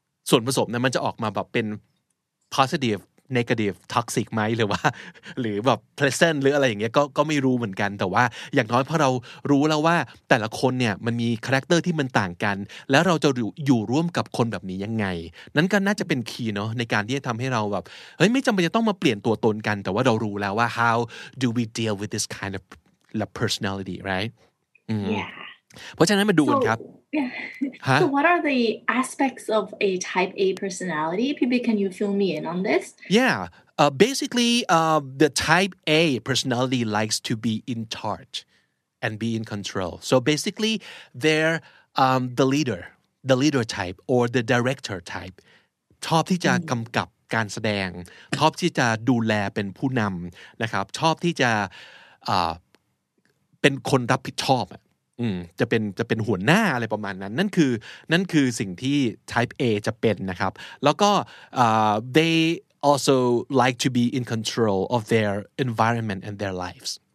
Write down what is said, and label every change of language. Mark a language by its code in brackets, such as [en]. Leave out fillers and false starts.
[th] ส่วนผสมนั้นมันจะออกมาแบบเป็น positive negative toxic ไหมหรือว่าหรือแบบ pleasant หรืออะไรอย่างเงี้ยก็ไม่รู้เหมือนกันแต่ว่าอย่างน้อยพอเรารู้แล้วว่าแต่ละคนเนี่ยมันมีคาแรคเตอร์ที่มันต่างกันแล้วเราจะอยู่ร่วมกับคนแบบนี้ยังไงนั้นก็น่าจะเป็นคีย์เนาะในการที่จะทำให้เราแบบเฮ้ยไม่จำเป็นจะต้องมาเปลี่ยนตัวตนกันแต่ว่าเรารู้แล้วว่า [en] how do we deal with this kind of personality right yeah. [th] เพราะฉะนั้นมาดูกันครับ [en] So what are the aspects of a type A personality? Pibi, can you fill me in on this? Yeah, basically the type A personality likes to be in charge and be in control. So basically they're the leader type or the director type. [th] ชอบที่จะกำกับการแสดงชอบที่จะดูแลเป็นผู้นำนะครับชอบที่จะเป็นคนรับผิดชอบจะเป็นหัวหน้าอะไรประมาณนั้นนั่นคือสิ่งที่ type A จะเป็นนะครับแล้วก็ [en] they also like to be in control of their environment and their lives